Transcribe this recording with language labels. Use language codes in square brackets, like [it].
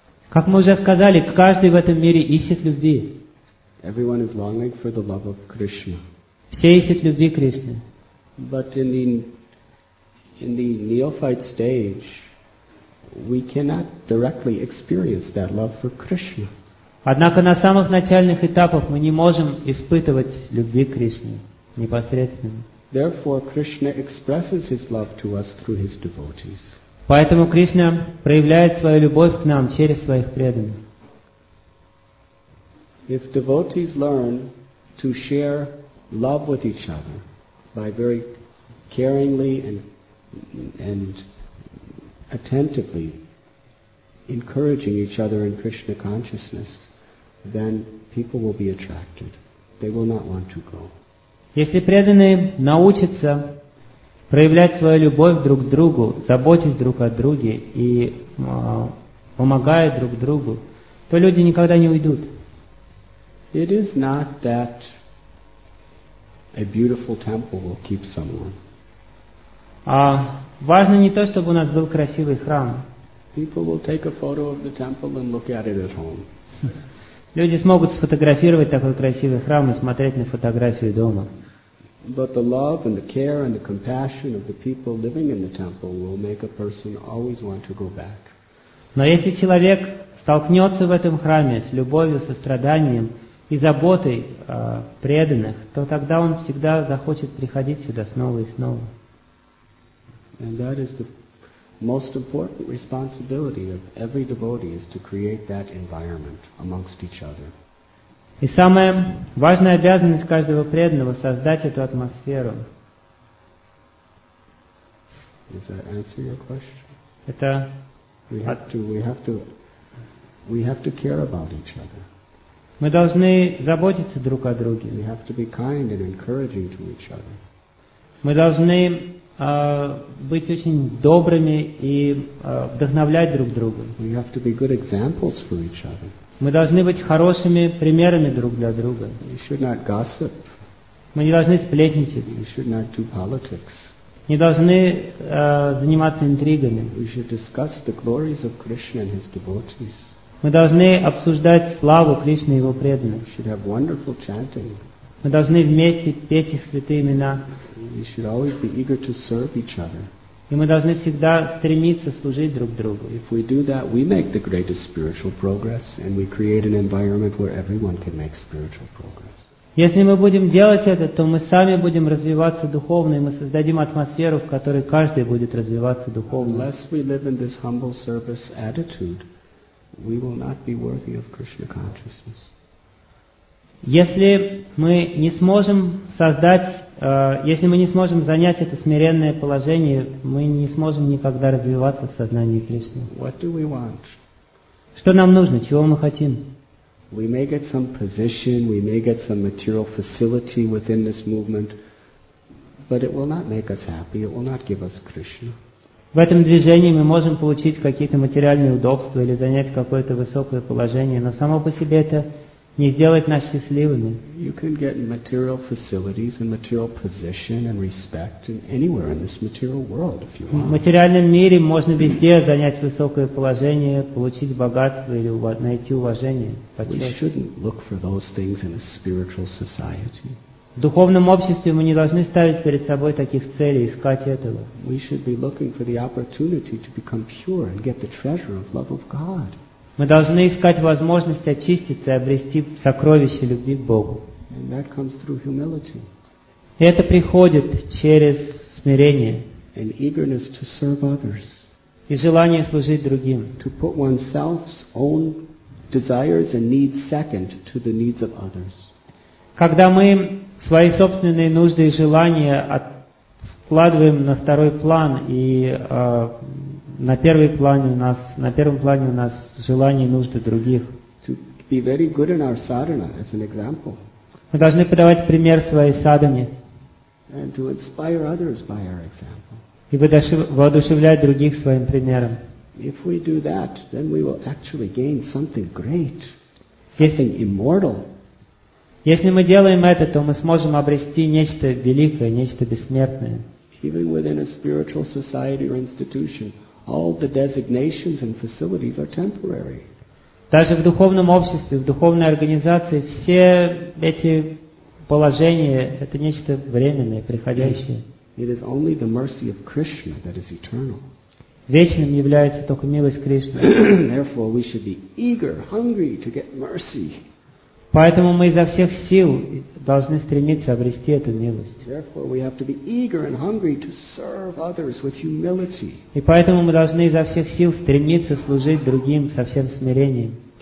[ru] Как мы уже сказали, каждый в этом мире ищет любви. [en] Everyone is longing for the love of Krishna. [ru] Все ищут любви Кришны. [en] But in the neophyte stage, we cannot directly experience that love for Krishna. [ru] Однако на самых начальных этапах мы не можем испытывать любви к Кришне непосредственно. [en] Therefore, Krishna expresses his love to us through his devotees. [ru] Поэтому Кришна проявляет свою любовь к нам через своих преданных. [en] If devotees learn to share love with each other by very caringly and attentively encouraging each other in Krishna consciousness, then people will be attracted. They will not want to go. [ru] Если преданные научатся проявлять свою любовь друг к другу, заботясь друг о друге и помогая друг другу, то люди никогда не уйдут. [en] It is not that a beautiful temple will keep someone. [ru] Важно не то, чтобы у нас был красивый храм. [en] People will take a photo of the temple and look at it at home. [ru] Люди смогут сфотографировать такой красивый храм и смотреть на фотографию дома. [en] But the love and the care and the compassion of the people living in the temple will make a person always want to go back. [ru] Но если человек столкнется в этом храме с любовью, состраданием и заботой преданных, то тогда он всегда захочет приходить сюда снова и снова. [en] And that is the most important responsibility of every devotee is to create that environment amongst each other. [ru] И самая важная обязанность каждого преданного — создать эту атмосферу. [en] Does that answer your question? [ru] Это... [en] We have to care about each other. [ru] Мы должны заботиться друг о друге. [en] We have to be kind and encouraging to each other. [ru] Мы должны быть очень добрыми и вдохновлять друг друга. [en] We have to be good examples for each other. [ru] Мы должны быть хорошими примерами друг для друга. [en] We should not gossip. [ru] Мы не должны сплетничать. [en] We should not do politics. [ru] Не должны заниматься интригами. [en] We should discuss the glories of Krishna and his devotees. [ru] Мы должны обсуждать славу Кришны и его преданных. [en] We should have wonderful chanting. [ru] Мы должны вместе петь их святые имена. [en] We should always be eager to serve each other. [ru] И мы должны всегда стремиться служить друг другу. [en] If we do that, we make the greatest spiritual progress, and we create an environment where everyone can make spiritual progress. [ru] Если мы будем делать это, то мы сами будем развиваться духовно, и мы создадим атмосферу, в которой каждый будет развиваться духовно. [en] Unless we live in this humble service attitude, we will not be worthy of Krishna consciousness. [ru] Если мы не сможем создать, если мы не сможем занять это смиренное положение, мы не сможем никогда развиваться в сознании Кришны. [en] What do we want? [ru] Что нам нужно? Чего мы хотим? [en] We may get some position, we may get some material facility within this movement, but it will not make us happy, it will not give us Krishna. [ru] В этом движении мы можем получить какие-то материальные удобства или занять какое-то высокое положение, но само по себе это не сделает нас счастливыми. [en] You can get material facilities and material position and respect anywhere in this material world if you want. [ru] В материальном мире можно везде занять высокое положение, получить богатство или найти уважение. [en] We shouldn't look for those things in a spiritual society. [ru] В духовном обществе мы не должны ставить перед собой таких целей, искать этого. [en] We should be looking for the opportunity to become pure and get the treasure of love of God. [ru] Мы должны искать возможность очиститься и обрести сокровище любви к Богу. [en] And that comes through humility. [ru] Это приходит через смирение. [en] And eagerness to serve others. [ru] И желание служить другим. [en] To put oneself's own desires and needs second to the needs of others. [ru] Когда мы свои собственные нужды и желания откладываем на второй план и на первом плане у нас желания и нужды других. Мы должны подавать пример своей садхане. [en] And to inspire others by our example. [ru] И воодушевлять других своим примером. [en] If we do that, then we will actually gain something great, something immortal. [ru] Если мы делаем это, то мы сможем обрести нечто великое, нечто бессмертное. [en] Even within a spiritual society or institution, all the designations and facilities are temporary. [ru] Даже в духовном обществе, в духовной организации, все эти положения — это нечто временное, приходящее. [en] It is only the mercy of Krishna that is eternal. [ru] Вечным является только милость Кришны. [en] Therefore, we should be eager, hungry to get mercy. [ru] Поэтому мы изо всех сил должны стремиться обрести эту милость. И поэтому мы должны изо всех сил стремиться служить другим со всем смирением.